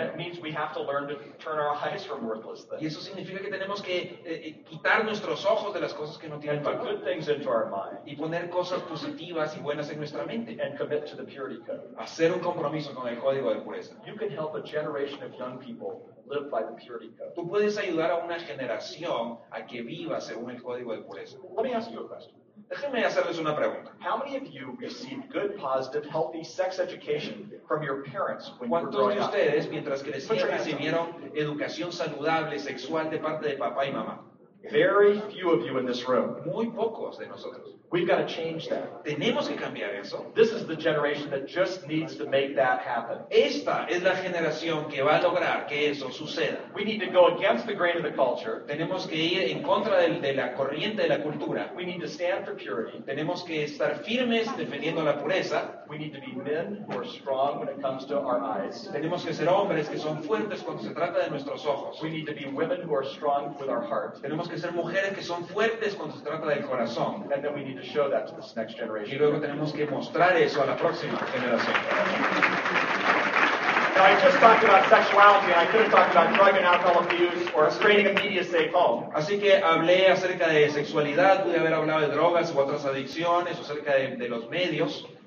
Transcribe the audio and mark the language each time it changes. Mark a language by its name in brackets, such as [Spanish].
[English] That means we have to learn to turn our eyes from worthless things. [Spanish] Y eso significa que tenemos que quitar nuestros ojos de las cosas que no tienen valor. [English] And put good things into our mind. [Spanish] Y poner cosas positivas y buenas en nuestra mente. [English] And commit to the purity code. [Spanish] Hacer un compromiso con el código de pureza. [English] You can help a generation of young people live by the purity code. [Spanish] Tú puedes ayudar a una generación a que viva según el código de pureza. [English] Let me ask you a question. [Spanish] Déjenme hacerles una pregunta. [English] How many of you received good, positive, healthy sex education from your parents when you were growing up? [Spanish] ¿Cuántos de ustedes, mientras crecían, recibieron educación saludable sexual de parte de papá y mamá? [English] Very few of you in this room. [Spanish] Muy pocos de nosotros. [English] We've got to change that. [Spanish] Tenemos que cambiar eso. [English] This is the generation that just needs to make that happen. [Spanish] Esta es la generación que va a lograr que eso suceda. [English] We need to go against the grain of the culture. [Spanish] Tenemos que ir en contra de la corriente de la cultura. [English] We need to stand for purity. [Spanish] Tenemos que estar firmes defendiendo la pureza. [English] We need to be men who are strong when it comes to our eyes. [Spanish] Tenemos que ser hombres que son fuertes cuando se trata de nuestros ojos. [English] We need to be women who are strong with our heart. [Spanish] Tenemos que ser mujeres que son fuertes cuando se trata del corazón. [English] And then we need to show that to this next generation. [Spanish] Y luego tenemos que mostrar eso a la próxima generación. [English] Now, I just talked about sexuality, and I could have talked about drug and alcohol abuse or creating a media safe home. [Spanish] Así que hablé acerca de sexualidad, pude haber hablado de drogas u otras adicciones, o acerca de los medios.